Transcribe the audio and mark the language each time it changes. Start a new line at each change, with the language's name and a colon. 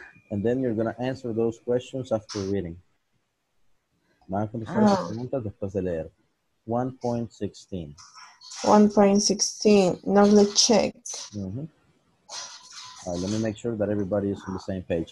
English: And then you're going to answer those questions after reading.
Spanish: Van a contestar las preguntas después de leer.
English: 1.16. 1.16. Now let's check. Mm-hmm. All right, let me make sure that everybody is on the same page.